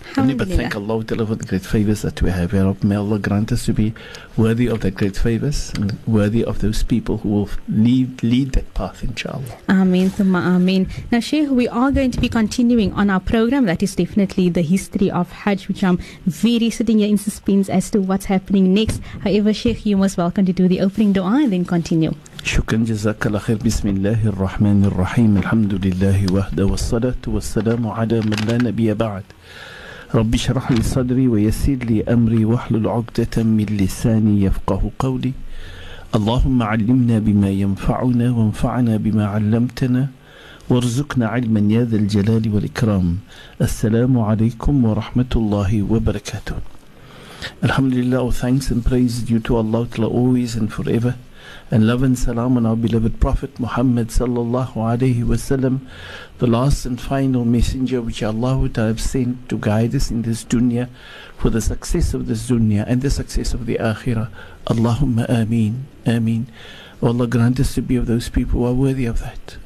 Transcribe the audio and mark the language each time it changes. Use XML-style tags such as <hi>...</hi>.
<en>Thank Allah for the great favors that we have. May Allah grant us to be worthy of that great favors and worthy of those people who will lead that path, inshallah. Amen, thumma amen. Now, Sheikh, we are going to be continuing on our program. That is definitely the history of Hajj, which I'm very sitting here in suspense as to what's happening next. However, Sheikh, you must welcome to do the opening dua and then continue.</en> <ar>شكرا جزاك الله خير بسم الله الرحمن الرحيم الحمد لله وحده والصلاة والسلام على من لا نبي بعد رب اشرح لي صدري ويسر لي أمري واحلل عقدة من لساني يفقه قولي اللهم علمنا بما ينفعنا وانفعنا بما علمتنا وارزقنا علما يا ذا الجلال والإكرام السلام عليكم ورحمة الله وبركاته</ar> <en>Alhamdulillah, thanks and praise due to Allah always and forever. And love and salam on our beloved Prophet Muhammad sallallahu alayhi wa sallam, the last and final messenger which Allah would have sent to guide us in this dunya for the success of this dunya and the success of the akhirah. Allahumma ameen, ameen. Allah grant us to be of those people who are worthy of that.</en>